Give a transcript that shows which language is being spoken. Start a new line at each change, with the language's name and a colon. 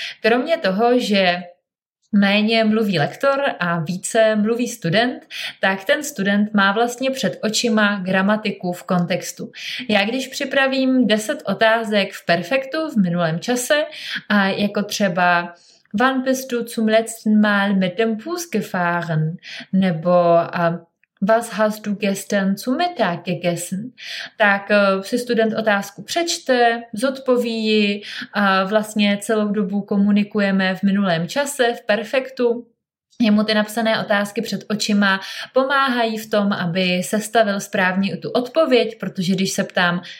Czech: Kromě toho, že méně mluví lektor a více mluví student, tak ten student má vlastně před očima gramatiku v kontextu. Já když připravím 10 otázek v perfektu v minulém čase, a jako třeba
German: Wann bist du zum letzten Mal mit dem Bus gefahren?
Czech: Nebo
German: Was hast du gestern zu Mittag gegessen?
Czech: Tak si student otázku přečte, zodpoví ji a vlastně celou dobu komunikujeme v minulém čase, v perfektu. Jemu ty napsané otázky před očima pomáhají v tom, aby sestavil správně tu odpověď, protože když se ptám